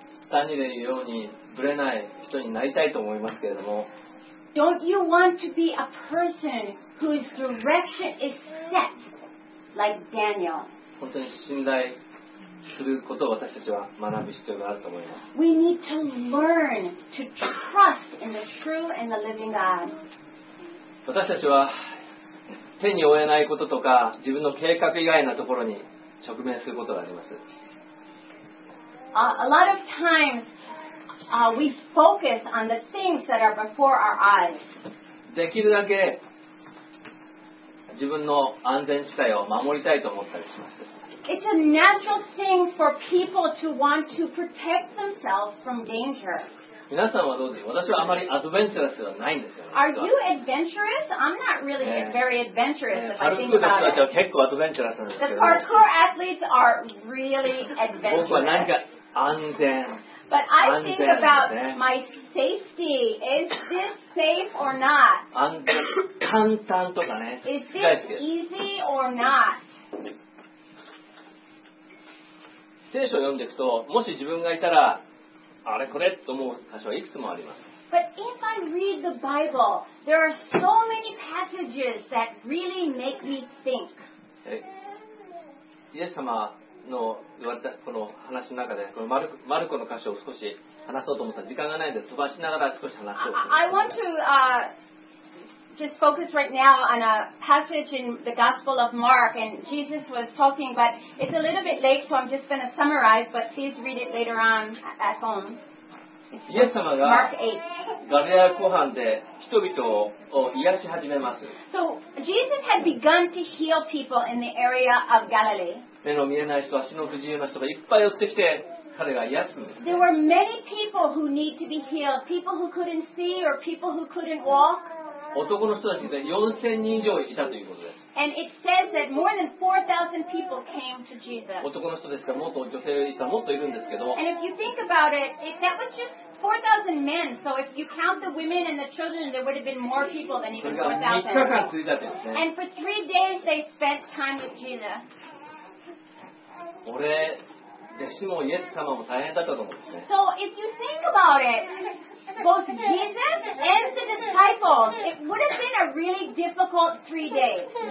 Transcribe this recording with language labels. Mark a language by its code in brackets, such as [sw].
[ja] ダニエルのようにブレない人になりたいと思いますけれども。 [en] Don't you want to be a person whose direction is set like Daniel? [ja] 本当に信頼することを私たちは学ぶ必要があると思います。 [en] We need to learn to trust in the true and the living God. [ja] 私たちは手に負えないこととか自分の計画以外なところに直面することがあります。 [en] A lot of times, we focus on the things that are before our eyes. [ja] できるだけ自分の安全地帯を守りたいと思ったりします。 [en] It's a natural thing for people to want to protect themselves from danger. [ja] 皆さんはどうですか？私はあまりアドベンチャラスではないんですよ。 [en] Are you adventurous? I'm not really very adventurous if I think about it. [ja] 歩く人たちは結構アドベンチャラスなんですけど。 [en] The parkour athletes are really adventurous. [ja] 僕は何か安全。 [en] But I think about my safety. Is this safe or not? [ja] 簡単とかね。 [en] Is this easy or not? [ja] 聖書を読んでいくと、もし自分がいたら、あれこれと思う箇所はいくつもあります。 [en] But if I read the Bible, there are so many passages that really make me think. [ja] イエス様の言われたこの話の中で、このマルコの箇所を少し話そうと思ったら時間がないので飛ばしながら少し話そう。 [en] I want to just focus right now on a passage in the Gospel of Mark, and Jesus was talking, but it's a little bit late, so I'm just going to summarize, but please read it later on at home. [ja] イエス様がガリラ湖畔で人々を癒し始めます。 [en] So, Jesus had begun to heal people in the area of Galilee. [ja] 目の見えない人、足の不自由な人がいっぱい寄ってきて、彼が癒すんです。 [en] There were many people who need to be healed, people who couldn't see or people who couldn't walk. [ja] 男の人たちが4000人以上いたということです。 [en] And it says that more than 4,000 people came to Jesus. [ja] 男の人ですから、もっと女性いたらもっといるんですけど。 [en] And if you think about it, that was just 4,000 men. So if you count the women and the children, there would have been more people than even 4,000. [ja] それが3日間続いたんですね。 [en] And for 3 days they spent time with Jesus. [ja] 俺、弟子もイエス様も大変だったと思うんですね。 [en] So if you think about it,Both Jesus and the disciples, it would have been a really difficult 3 days.